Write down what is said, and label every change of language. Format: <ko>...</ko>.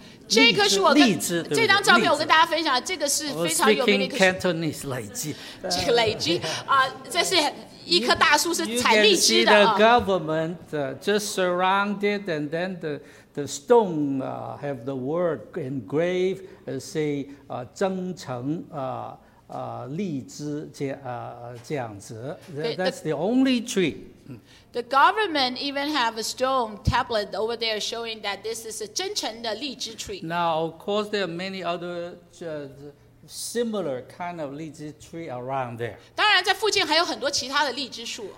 <zh>这棵是我跟这张照片，我跟大家分享，这个是非常有名的一棵。</zh> <en>Speaking Cantonese, 荔枝。</en> <zh>荔枝啊，这是一棵大树，是采荔枝的。</zh> <en>You can see the government just surrounded, and then the stone have the word engraved and say</en> <zh>增城荔枝这样子。</zh> <en>That's the only tree. The government even have a stone tablet over there showing that this is a</en> <zh>真诚的荔枝</zh> <en>tree. Now, of course, there are many other similar kind of 荔枝 tree around there.</en> <zh>当然在附近还有很多其他的荔枝树。</zh>